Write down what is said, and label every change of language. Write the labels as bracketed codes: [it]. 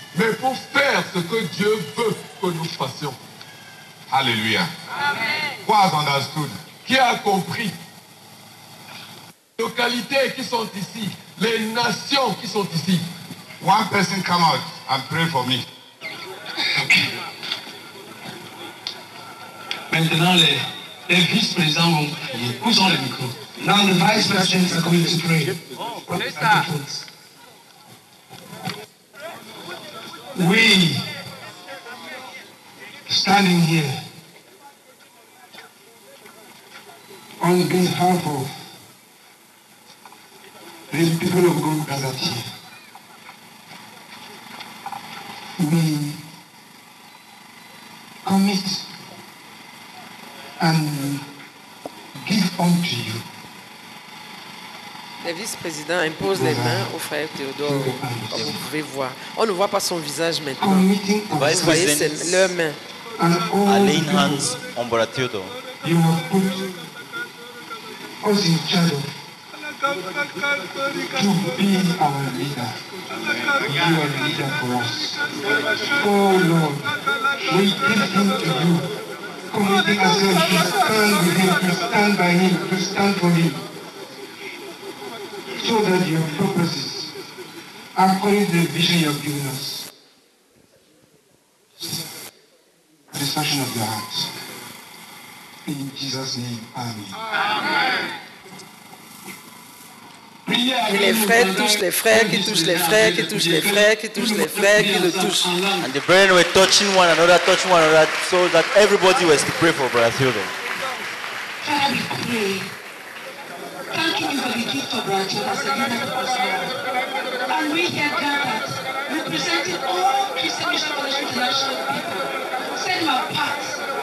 [fr] Mais pour faire ce que Dieu veut que nous fassions. Hallelujah. Amen. [en] Who has understood? [fr] Qui a compris? Les localités qui sont ici, les nations qui sont ici. [en] One person come out and pray for me. [fr] Maintenant, les vice-présidents vont prier. Où sont les micros? [en] Now the vice-presidents are going to pray. We, standing here, on behalf of the people of God gathered here, we commit and give unto you. [fr] Le vice-président impose les mains au frère Théodore. Comme vous pouvez voir, on ne voit pas son visage maintenant. Vous voyez, c'est leurs mains. [en] Laying hands on brother Théodore. You have put us in charge to be our leader. You are the leader for us. Oh Lord, we give him to you. Committing ourselves to stand with him, to stand by him, to stand for him. So that your purposes, according to the vision you have given us, satisfaction of your hearts. In Jesus' name, Amen. Amen. Bring [fr] Et les frères touchent les frères, qui touchent les frères, qui touchent les frères, qui touchent les frères, qui le touchent. [en] And the brethren were touching one another, so that everybody was to pray for Brother Theodore. Father, we pray. Thank you for the gift of Brother Theodore. And we have gathered, representing all Christian Mission Foundation International people, send our parts.